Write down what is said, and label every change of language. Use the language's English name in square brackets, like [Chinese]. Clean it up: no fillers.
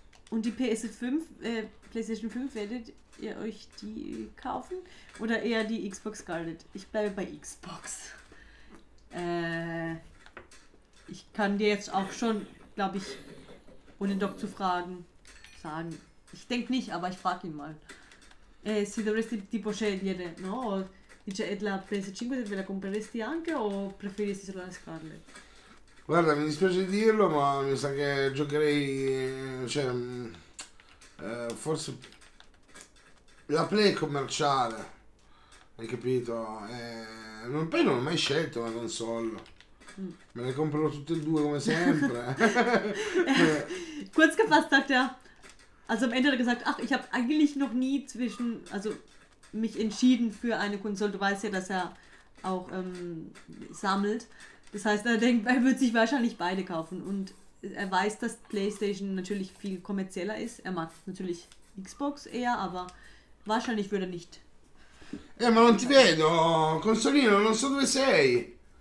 [German] Und die PlayStation 5 werdet ihr euch die kaufen? Oder eher die Xbox Scarlet? Ich bleibe bei Xbox. Ich kann dir jetzt auch schon, glaube ich, ohne Doc zu fragen, sagen. Ich denke nicht, aber ich frage ihn mal. [Italian] Si dovresti tipo scegliere, no? Dice, e la PS5 te la compreresti anche o preferiresti solo la Scarlet? Guarda, mi dispiace dirlo, ma mi sa che giocherei, cioè, forse la Play commerciale, hai capito? Poi non ho mai scelto una console. Me ne comprerò tutte e due come sempre. [German] Kurz gefasst sagt er, also am Ende hat er gesagt, ach, ich habe eigentlich noch nie zwischen, also mich entschieden für eine Konsole. Du weißt ja, dass er auch sammelt. Das heißt, er denkt, er wird sich wahrscheinlich beide kaufen. Und er weiß, dass PlayStation natürlich viel kommerzieller ist. Er mag natürlich Xbox eher, aber wahrscheinlich würde er nicht. [Italian] Ma non ti vedo, Consolino, non so dove sei.